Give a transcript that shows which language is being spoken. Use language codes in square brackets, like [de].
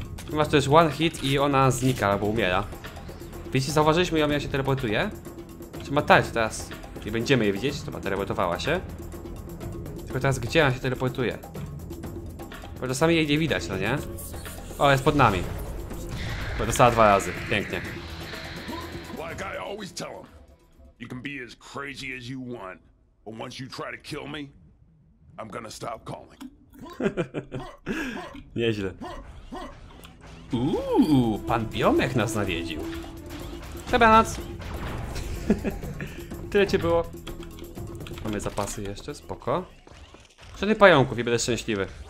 [pl] Chyba to jest [en] one hit [pl] i ona znika albo umiera. Widzicie, zauważyliśmy ją, jak się teleportuje. Czy ma tarcz teraz? Nie będziemy jej widzieć, to ma teleportowała się. Tylko teraz gdzie on się teleportuje? Bo czasami jej nie widać, no nie? O, jest pod nami. Bo dostała dwa razy. Pięknie. [en] Like I always tell him, you can be as crazy as you want, but once you try to kill me, I'm gonna stop calling. [pl] Nieźle. Uuu, pan Biomek nas nawiedził. Dobranoc. Tyle cię było. Mamy zapasy jeszcze, spoko. Żadnych pająków i będę szczęśliwy.